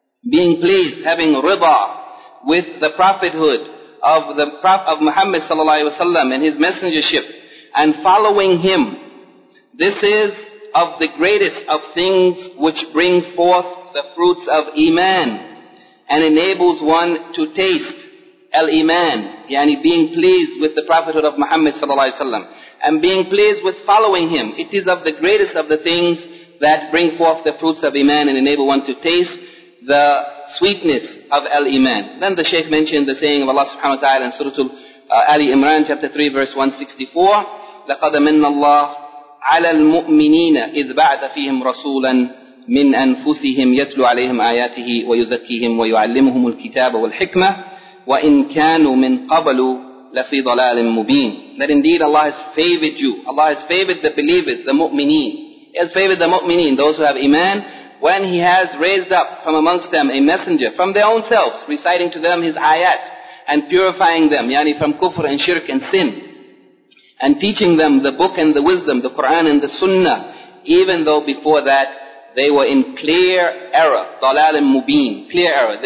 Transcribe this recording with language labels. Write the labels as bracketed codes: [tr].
[en] Being pleased, having rida with the prophethood of the Prophet of Muhammad sallallahu alaihi wasallam and his messengership, and following him, this is of the greatest of things which bring forth the fruits of iman and enables one to taste al-iman, yani being pleased with the prophethood of Muhammad sallallahu alaihi wasallam and being pleased with following him. It is of the greatest of the things that bring forth the fruits of iman and enable one to taste the sweetness of al-iman. Then the Shaykh mentioned the saying of Allah subhanahu wa ta'ala in Surah Ali Imran chapter 3 verse 164, [ar] لَقَدَ مِنَّ اللَّهُ عَلَى الْمُؤْمِنِينَ إِذْ بَعْدَ فِيهِمْ رَسُولًا مِنْ أَنفُسِهِمْ يَتْلُوا عَلَيْهِمْ آيَاتِهِ وَيُزَكِّيهِمْ وَيُعَلِّمُهُمُ الْكِتَابَ وَالْحِكْمَةَ وَإِنْ كَانُوا مِنْ قَبَلُوا لَفِي ضَلَالٍ مُبِينٍ. [en] That indeed Allah has favored you. Allah has favored the believers, the mu'mineen. He has favored the mu'mineen, those who have iman, when He has raised up from amongst them a messenger from their own selves, reciting to them His ayat and purifying them, yani from kufr and shirk and sin, and teaching them the book and the wisdom, the Quran and the sunnah, even though before that they were in clear error, dalal and mubeen, clear error.